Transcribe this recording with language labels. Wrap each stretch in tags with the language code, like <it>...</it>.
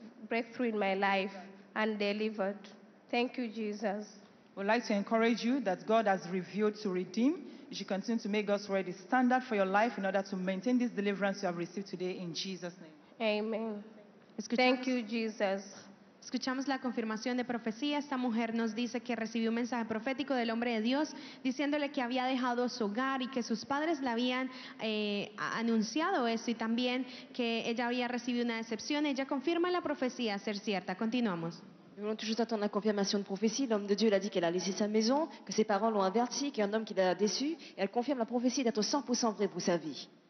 <en>breakthrough in my life and delivered. Thank you, Jesus. We'd like to encourage you that God has revealed to redeem. You should continue to make God's word the standard for your life in order to maintain this deliverance you have received today in Jesus' name. Amen. Thank you, Jesus.</en> <es>Escuchamos la confirmación de profecía. Esta mujer nos dice que recibió un mensaje profético del hombre de Dios diciéndole que había dejado su hogar y que sus padres le habían anunciado eso y también que ella había recibido una decepción. Ella confirma la profecía ser cierta. Continuamos.</es> <fr>Nous voulons toujours attendre la confirmation de prophétie. L'homme de Dieu l'a dit qu'elle a laissé sa maison, que ses parents l'ont averti, qu'il y a un homme qui l'a déçu. Et elle confirme la prophétie d'être 100% vraie pour sa vie.</fr>